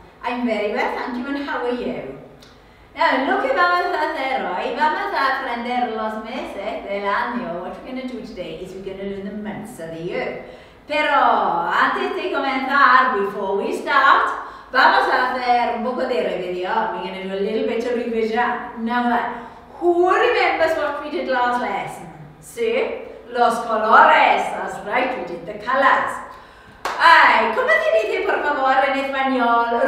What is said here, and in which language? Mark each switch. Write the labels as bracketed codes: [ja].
[en] I'm very well, thank you, and how are you? [es] Now, lo que vamos a hacer hoy, vamos a aprender los meses del año. [en] What we're going to do today is we're going to learn the months of the year. [es] Pero antes de comenzar, [en] before we start, [es] vamos a hacer un poco de revisión. [en] We're going to do a little bit of revision. Now, who remembers what we did last lesson? Sí? [es] Los colores, [en] that's right, we did the colors. [es] Ay, ¿cómo se dice, por favor, en español?